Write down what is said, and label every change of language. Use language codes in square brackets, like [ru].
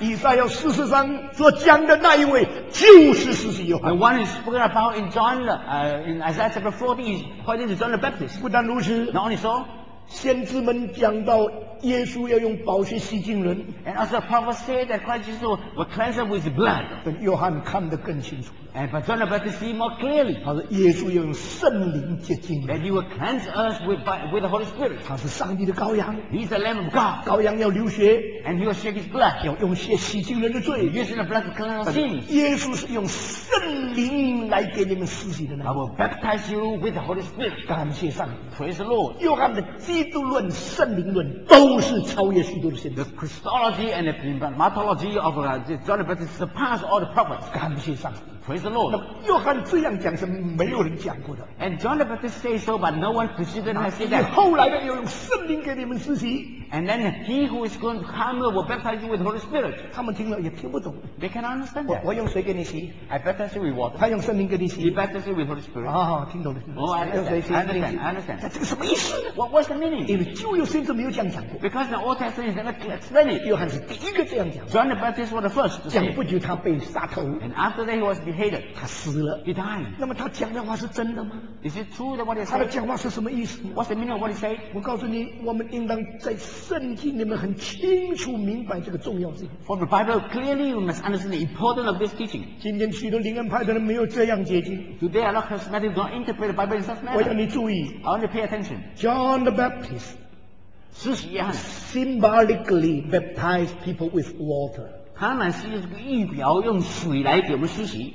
[zh] 以赛亚四十三所讲的那一位就是使徒约翰 [en] ，the one is spoken about in John， in Isaiah chapter 40 is pointing to John the Baptist。 [zh] 不但如此 [en] ，not only so。 [zh] 先知们讲到耶稣要用宝血洗净人 [en] ，and as the prophet said that Christ Jesus was cleansed with blood， [zh] 但约翰看得更清楚 [en] ，and but John the Baptist see more clearly， [zh] 他说耶稣要用圣灵洁净 [en] ，that he will cleanse us with the Holy Spirit， [zh] 他是上帝的羔羊 [en] ，he's the Lamb of God， [zh] 羔羊要流血 [en] ，and he will shed his blood， [zh] 要用血洗净人的罪 [en] ，using the blood to cleanse our sins， [zh] 耶稣是用圣灵来给你们施洗的呢 [en] ，I will baptize you with the Holy Spirit， [zh] 感谢上帝 [en] ，praise the Lord， [zh] 约翰的基督论、圣灵论都是超越许多的先知。 [en] The Christology and the pneumatology of John the Baptist surpass all the prophets. [zh] 感谢上帝。 [en] Praise the Lord. [zh] 那约翰这样讲是没有人讲过的。 [en] And John the Baptist say so, but no one preceded him said that. [zh] 后来的要用圣灵给你们施洗。 [en] And then he who is going to come will baptize you with the Holy Spirit. [zh] 他们听了也听不懂。 [en] They cannot understand that. [zh] 我用水给你洗。 [en] I baptize you with water. [zh] 他用圣灵给你洗。 [en] He baptizes you with the Holy Spirit. [zh] 啊、哦，听懂了。 [en] Oh, I understand. I understand. [zh] 这个什么意思 [en] ？What's the meaning? [zh] 因为旧约圣经没有这样讲过。 [en] Because the Old Testament never explained it. [zh] 约翰是第一个这样讲。 [en] John the Baptist was the first. [zh] 讲不久他被杀头。 [en] And after that he was beheaded. [zh] 他死了 [en] ，He died。 [zh] 那么他讲的话是真的吗 [en] ？Is it true that what he said？ [zh] 他的讲话是什么意思 [en] ？What's the meaning of what he said？ [zh] 我告诉你，我们应当在圣经里面很清楚明白这个重要性。 [en] For the Bible clearly we must understand the importance of this teaching。 [zh] 今天许多灵恩派的人没有这样解经。 [en] Today a lot of charismatics don't interpret the Bible in such manner。 [zh] 我要你注意 [en] ，I want to pay attention。 John the Baptist， [zh] 施洗约翰 [en] ，symbolically baptized people with water。 [zh] 他乃是这个预表，用水来给我们施洗。